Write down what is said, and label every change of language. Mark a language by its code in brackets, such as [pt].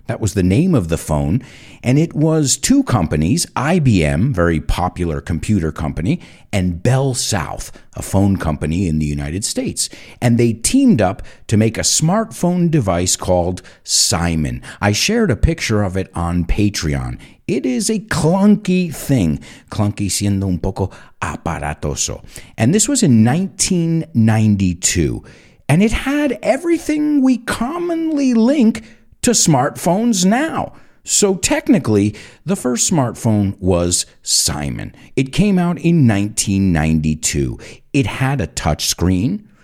[en] That was the name of the phone. And it was two companies, IBM, very popular computer company, and Bell South, a phone company in the United States. And they teamed up to make a smartphone device called Simon. I shared a picture of it on Patreon. It is a clunky thing. [es] Clunky siendo un poco aparatoso. [en] And this was in 1992. And it had everything we commonly link to smartphones now. So technically, the first smartphone was Simon. It came out in 1992. It had a touchscreen.